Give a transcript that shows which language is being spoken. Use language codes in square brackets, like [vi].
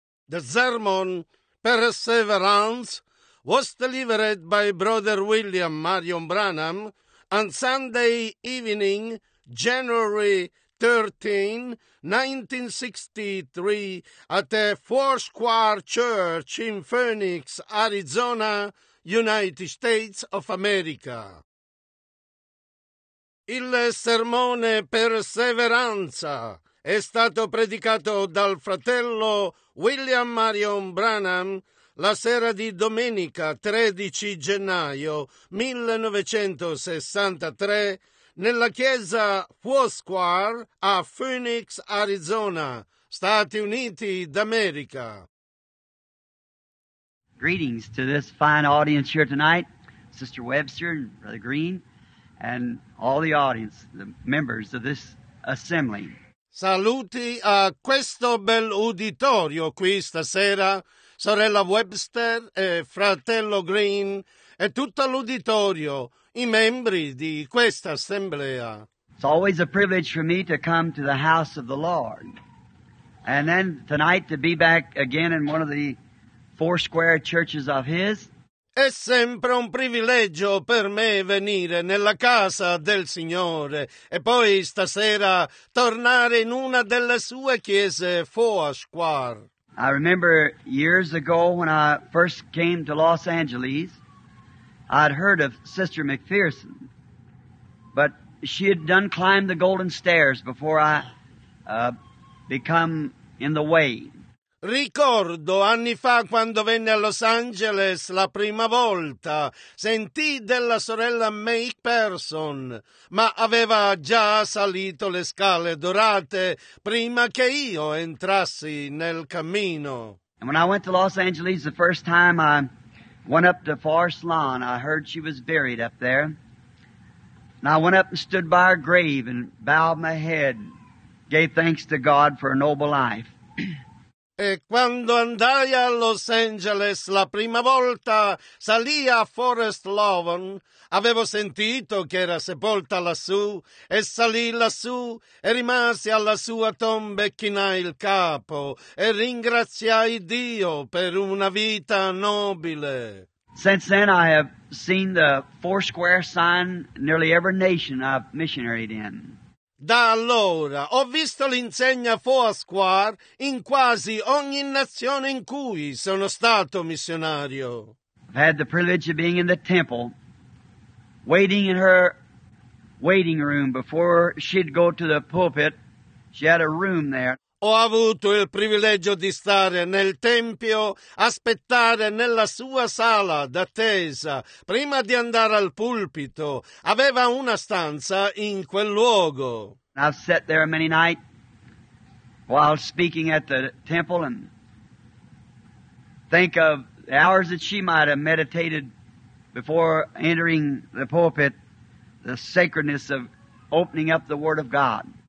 [en] The sermon, Perseverance, was delivered by Brother William Marion Branham on Sunday evening, January 13, 1963, at a Four Square Church in Phoenix, Arizona, United States of America. [it] Il sermone Perseveranza è stato predicato dal fratello William Marion Branham la sera di domenica 13 gennaio 1963 nella chiesa Four Square a Phoenix, Arizona, Stati Uniti d'America. [en] Greetings to this fine audience here tonight, Sister Webster and Brother Green, and all the audience, the members of this assembly. [it] Saluti a questo bel uditorio qui stasera, sorella Webster e fratello Green, e tutto l'uditorio, i membri di questa assemblea. [en] It's always a privilege for me to come to the house of the Lord, and then tonight to be back again in one of the Four Square churches of his. [it] È sempre un privilegio per me venire nella casa del Signore e poi stasera tornare in una delle sue chiese Four Square. [en] I remember years ago when I first came to Los Angeles, I'd heard of Sister McPherson, but she had done climb the golden stairs before I become in the way. [it] Ricordo anni fa quando venne a Los Angeles la prima volta, sentì della sorella McPherson, ma aveva già salito le scale dorate prima che io entrassi nel cammino. [en] And when I went to Los Angeles the first time, I went up to Forest Lawn. I heard she was buried up there. And I went up and stood by her grave and bowed my head, gave thanks to God for a noble life. [it] E quando andai a Los Angeles la prima volta, salì a Forest Lawn, avevo sentito che era sepolta lassù, e salì lassù e rimasi alla sua tomba e chinai il capo, e ringraziai Dio per una vita nobile. [en] Since then I have seen the Four Square sign nearly every nation I've missionaried in. [it] Da allora ho visto l'insegna Four Square in quasi ogni nazione in cui sono stato missionario. [en] I've had the privilege of being in the temple, waiting in her waiting room before she'd go to the pulpit. She had a room there. [it] Ho avuto il privilegio di stare nel tempio, aspettare nella sua sala d'attesa, prima di andare al pulpito. Aveva una stanza in quel luogo. [en] I've sat there many nights while speaking at the temple and think of the hours that she might have meditated before entering the pulpit, the sacredness of opening up the Word of God.